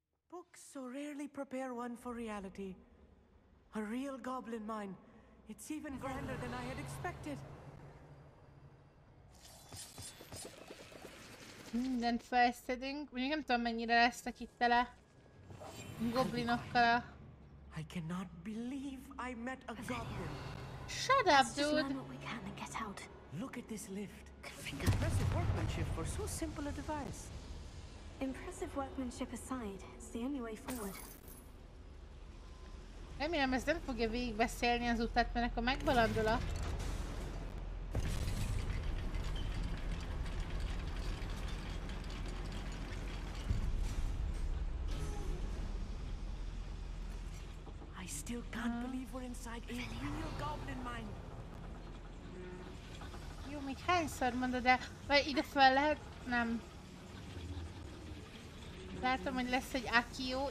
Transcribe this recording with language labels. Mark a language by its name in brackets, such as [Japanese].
[English] Books so rarely prepare one for reality. A real goblin mine. It's even grander than I had expected. [Hungarian] Mindent felszedünk. Mondjuk nem tudom, mennyire lesznek itt tele goblinokkal. [English] I cannot believe I met a goblin. Shut up, dude. Let's just learn what we can and get out. Look at this lift. Good finger. Impressive workmanship for so simple a device. Impressive workmanship aside, it's the only way forward. [Hungarian] Remélem, ez nem fogja végigbeszélni az utat, mert akkor megbalandul a... [English] I still can't believe we're inside a real goblin mine. [Hungarian] Jó, még hányszor mondod el? Vagy ide fel lehet? Nem. Látom, hogy lesz egy Akio.